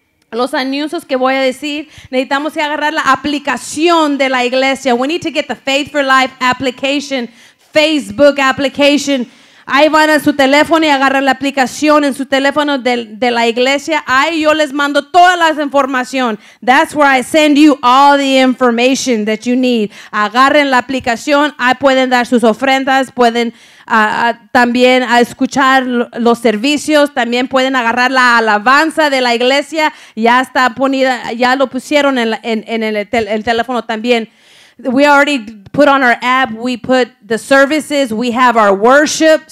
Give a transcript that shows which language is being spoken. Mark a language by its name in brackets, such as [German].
[Spanish] Los anuncios que voy a decir, necesitamos que agarrar la aplicación de la iglesia. [English] We need to get the Faith for Life application, Facebook application. [Spanish] Ahí van a su teléfono y agarran la aplicación en su teléfono de la iglesia. Ahí yo les mando toda la información. [English] That's where I send you all the information that you need. [Spanish] Agarren la aplicación. Ahí pueden dar sus ofrendas. Pueden también escuchar los servicios. También pueden agarrar la alabanza de la iglesia. Ya está ponida, ya lo pusieron en el teléfono también. [English] We already put on our app, we put the services, we have our worship.